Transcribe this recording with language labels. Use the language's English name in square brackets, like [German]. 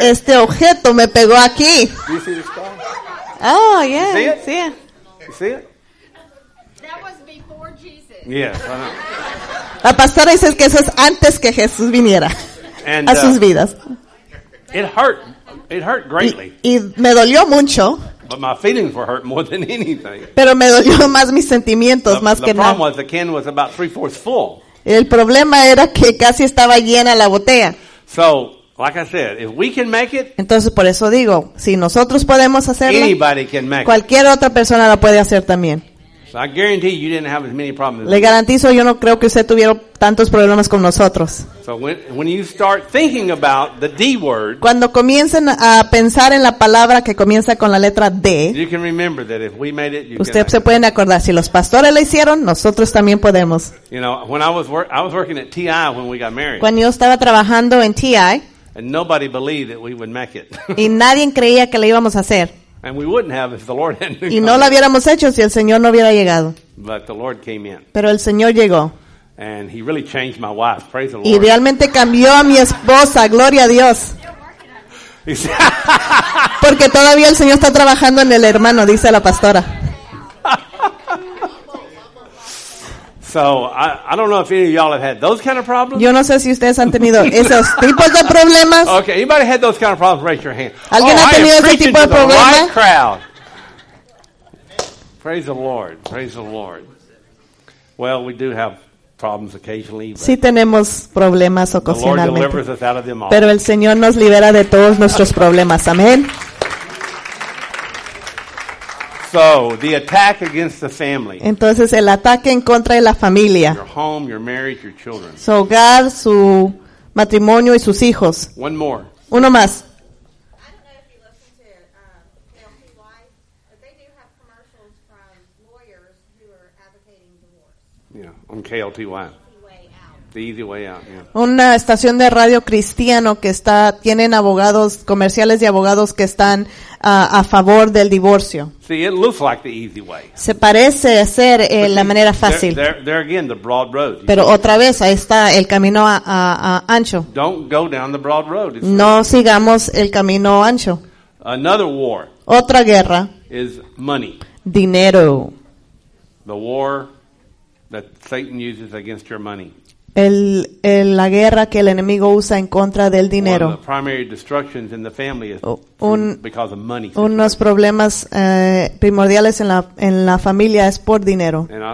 [Spanish] Este objeto me pegó aquí. [English] Do you see the star? Oh, yeah. You see it? That was before Jesus. Yes, I know. [Spanish] La pastora dice que eso es antes que Jesús viniera a sus vidas. [English] It hurt greatly. [Spanish] Y me dolió mucho. [English] But my feelings were hurt more than anything. [Spanish] Pero me dolió más mis sentimientos, más que nada. [English] The problem was the can was about 3/4 full. [Spanish] El problema era que casi estaba llena la botella. [English] So, like I said, if we can make it, [Spanish] entonces por eso digo, si nosotros podemos hacerlo, [English] anybody can make it. [Spanish] Cualquier otra persona lo puede hacer también. [English] So I guarantee you didn't have as many problems. [Spanish] Le garantizo, yo no creo que usted tuviera tantos problemas con nosotros. [English] So when you start thinking about the D word, [Spanish] cuando comiencen a pensar en la palabra que comienza con la letra D, [English] you can remember that if we made it, you [Spanish] usted se pueden acordar, si los pastores lo hicieron, nosotros también podemos. [English] You know, when I was working at TI when we got married. [Spanish] Cuando yo estaba trabajando en TI, [English] and nobody believed that we would make it. [Spanish] Y nadie creía que lo íbamos a hacer. [English] And we wouldn't have if the Lord hadn't come. [Spanish] Y no lo hubiéramos hecho si el Señor no hubiera llegado. [English] But the Lord came in. [Spanish] Pero el Señor llegó. [English] And he really changed my wife. Praise the Lord. [Spanish] Y realmente cambió a mi esposa. Gloria a Dios. Porque todavía el Señor está trabajando en el hermano, dice la pastora. [English] So I don't know if any of y'all have had those kind of problems. [Spanish] Yo no sé si ustedes han tenido esos tipos de problemas. [English] Okay, anybody had those kind of problems? Raise your hand. [Spanish] ¿Alguien ha tenido ese tipo de problema? [English] Right crowd. Praise the Lord. Praise the Lord. Well, we do have problems occasionally. [Spanish] Sí tenemos problemas ocasionalmente. [English] The Lord delivers us out of them all. [Spanish] Pero el Señor nos libera de todos nuestros problemas. Amén. [English] So the attack against the family. [Spanish] Entonces el ataque en contra de la familia. [English] Your home, your marriage, your children. [Spanish] Su hogar, su matrimonio y sus hijos. [English] One more. [Spanish] Uno más. [English] I don't know if you listen to LPY, but they do have commercials from lawyers who are advocating divorce. Yeah, on KLTY. The easy way out. The easy way out. Yeah. [Spanish] Una estación de radio cristiano que está tienen abogados comerciales de abogados que están a favor del divorcio. [English] See, it looks like the easy way. [Spanish] Se parece ser la manera fácil. [English] There again, the broad road. [Spanish] Pero otra vez, ahí está el camino a ancho. [English] Don't go down the broad road. [Spanish] No sigamos el camino ancho. [English] Another war. [Spanish] Otra guerra. [English] Is money. [Spanish] Dinero. [English] The war that Satan uses against your money. [Spanish] La guerra que el enemigo usa en contra del dinero. Unos problemas primordiales en la familia es por dinero.